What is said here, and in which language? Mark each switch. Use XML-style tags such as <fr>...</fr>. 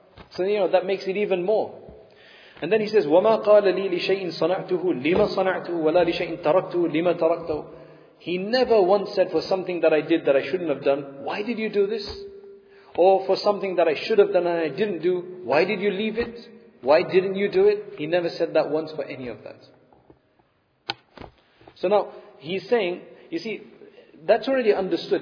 <en>So, you know, that makes it even more. And then he says,</en> <ar>وَمَا قَالَ لِي لِشَيْءٍ صَنَعْتُهُ لِمَا صَنَعْتُهُ وَلَا لِشَيْءٍ تَرَكْتُهُ لِمَا تَرَكْتُهُ.</ar> <en>He never once said, for something that I did that I shouldn't have done, why did you do this? Or for something that I should have done and I didn't do, why did you leave it? Why didn't you do it? He never said that once for any of that. So now, he's saying, you see, that's already understood.</en>